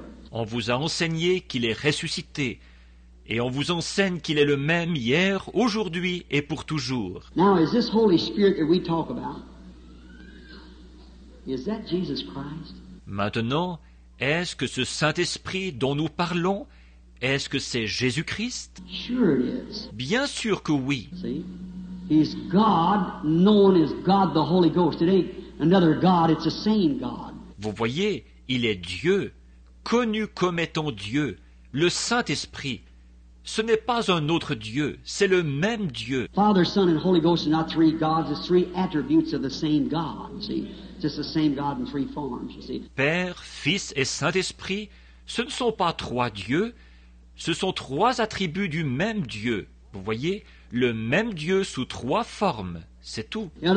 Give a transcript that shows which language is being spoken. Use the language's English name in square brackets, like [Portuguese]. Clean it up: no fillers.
[French] On vous a enseigné qu'il est ressuscité, et on vous enseigne qu'il est le même hier, aujourd'hui et pour toujours. [English] Now, is this Holy Spirit that we talk about, is that Jesus Christ? [French] Maintenant, est-ce que ce Saint-Esprit dont nous parlons, est-ce que c'est Jésus-Christ? [English] Sure it is. [French] Bien sûr que oui. [English] See? He's God, known as God the Holy Ghost. It ain't another God, it's the same God. [French] Vous voyez, il est Dieu, connu comme étant Dieu, le Saint-Esprit. Ce n'est pas un autre Dieu, c'est le même Dieu. [English] Father, Son, and Holy Ghost are not three gods, it's three attributes of the same God. See? It's just the same God in three forms, you see? [French] Père, Fils et Saint-Esprit, ce ne sont pas trois dieux. Ce sont trois attributs du même Dieu. Vous voyez, le même Dieu sous trois formes, c'est tout.